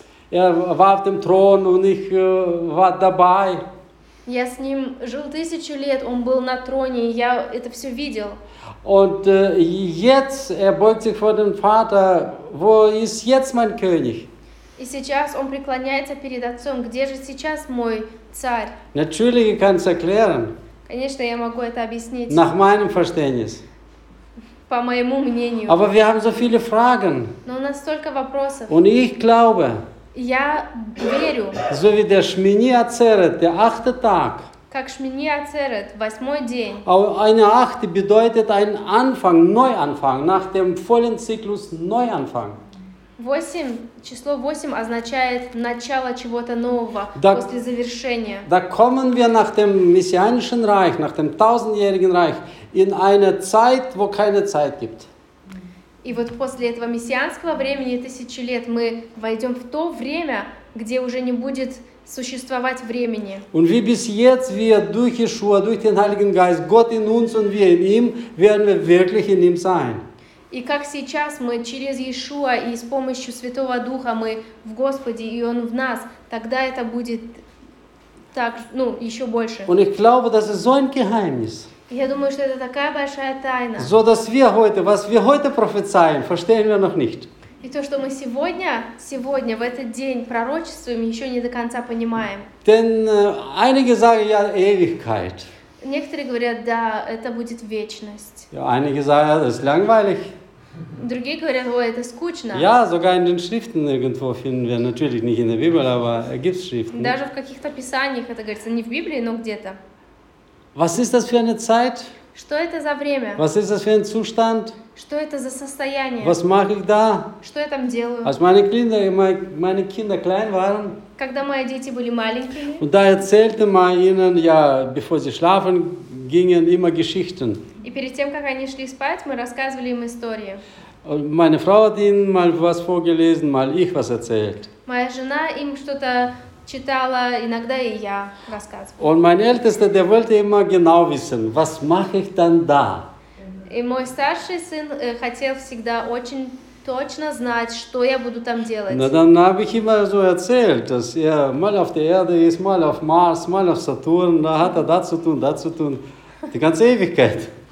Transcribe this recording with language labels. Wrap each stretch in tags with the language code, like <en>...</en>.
<de>Er war auf dem Thron und ich war dabei.</de> <ru>Я с ним жил 1000 лет, он был на троне, и я это все видел.</ru> <de>Und jetzt, er beugt sich vor dem Vater, wo ist jetzt mein König?</de> <ru>И сейчас он преклоняется перед Отцом, где же сейчас мой царь?</ru> <de>Natürlich, ich kann es erklären.</de> <ru>Конечно, я могу это объяснить.</ru> <de>Nach meinem Verständnis.</de> <ru>По моему мнению.</ru> <de>Aber wir haben so viele Fragen.</de> <ru>Но у нас столько вопросов.</ru> <de>Und ich glaube,</de> <ru>я верю.</ru> <de>So wie der Shmini Atzeret, der achte Tag.</de> <ru>Как Шмини Ацерет, восьмой день.</ru> <de>А eine Achte bedeutet einen Anfang, Neuanfang, nach dem vollen Zyklus Neuanfang.</de> <ru>Восемь, число восемь означает начало чего-то нового, da, после завершения.</ru> <de>Da kommen wir nach dem messianischen Reich, nach dem tausendjährigen Reich, in eine Zeit, wo keine Zeit gibt.</de> <ru>И вот после этого мессианского времени, тысячи лет, мы войдем в то время, где уже не будет существовать времени.</ru> <de>Und wie bis jetzt wir durch Yeshua, durch den Heiligen Geist, Gott in uns und wir in ihm, werden wir wirklich in ihm sein.</de> <ru>И как сейчас мы через Иешуа и с помощью Святого Духа мы в Господе и Он в нас, тогда это будет так, ну, еще больше.</ru> <de>Und ich glaube, das ist so ein Geheimnis.</de> <ru>Я думаю, что это такая большая тайна.</ru> <de>So dass wir heute, was wir heute prophezeien, verstehen wir noch nicht.</de> <ru>И то, что мы сегодня, сегодня в этот день пророчествуем, еще не до конца понимаем.</ru> <de>Denn einige sagen ja Ewigkeit.</de> <ru>Некоторые говорят, да, это будет вечность.</ru> <de>Ja, einige sagen, das ist langweilig.</de> <ru>Другие говорят, ой, это скучно.</ru> <de>Ja, sogar in den Schriften irgendwo finden wir, natürlich nicht in der Bibel, aber gibt's Schriften.</de> <ru>Даже в каких-то писаниях это говорится, не в Библии, но где-то.</ru> <de>Was ist das für eine Zeit?</de> <ru>Что это за время?</ru> <de>Was ist das für ein Zustand?</de> <ru>Что это за состояние?</ru> <de>Was mache ich da?</de> <ru>Что я там делаю?</ru> <de>Als meine Kinder klein waren,</de> <ru>когда мои дети были маленькими,</ru> <de>und da erzählte man ihnen, ja, bevor sie schlafen gingen, immer Geschichten.</de> <ru>И перед тем, как они шли спать, мы рассказывали им истории.</ru> <de>Und meine Frau hat ihnen mal was vorgelesen, mal ich was erzählt.</de> <ru>Моя жена им что-то читала, иногда и я рассказывала.</ru> <de>Und mein Ältester, der wollte immer genau wissen, was mache ich dann da?</de> <ru>И мой старший сын хотел всегда очень точно знать, что я буду там делать.</ru> <de>Na, dann habe ich immer so erzählt, dass er mal auf der Erde ist, mal auf Mars, mal auf Saturn, da hat er das zu tun, das zu tun, die ganze Ewigkeit.</de>